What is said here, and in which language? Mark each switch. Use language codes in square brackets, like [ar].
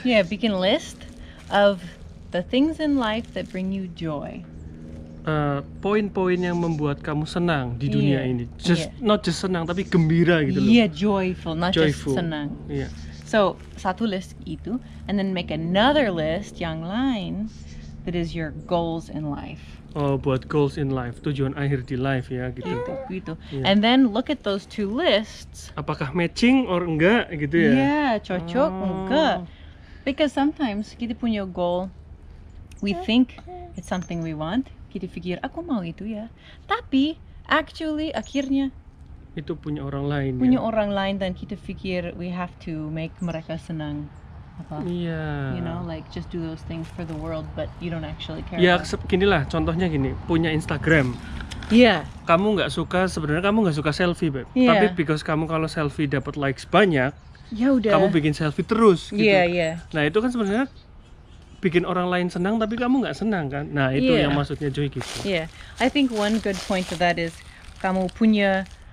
[en] Iya, yeah, bikin list of the things in life that bring you joy. [id] Poin-poin yang membuat kamu senang di dunia ini. Just not just senang tapi gembira gitu loh. [en] Iya, joyful, not joyful. [id] Just senang. Iya. Yeah. [en] So, [id] satu list itu [en] and then make another list yang lain that is your goals in life. [id] Oh, buat [en] goals in life, [id] tujuan akhir di life ya gitu. [en] Gitu. Yeah. And then look at those two lists. [id] Apakah matching or enggak gitu ya? Iya, yeah, cocok enggak? [en] Because sometimes [id] kita punya goal [en] we think it's something we want. [id] Kita pikir, aku mau itu ya. Tapi, actually, akhirnya itu punya orang lain. Punya ya? Orang lain dan kita pikir [en] we have to make [id] mereka senang. Iya. Yeah. [en] You know, like just do those things for the world, but you don't actually care. [id] Ya, ginilah. Contohnya gini, punya Instagram. Iya. Yeah. Kamu nggak suka, sebenarnya kamu nggak suka selfie, Beb. Yeah. Tapi because kamu kalau selfie dapat likes banyak, ya udah. Kamu bikin selfie terus. Iya, gitu. Yeah, iya. Yeah. Nah, itu kan sebenarnya bikin orang lain senang tapi kamu enggak senang kan? Nah, itu yang maksudnya joy gitu. [en] Yeah. I think one good point to that is [id] kamu punya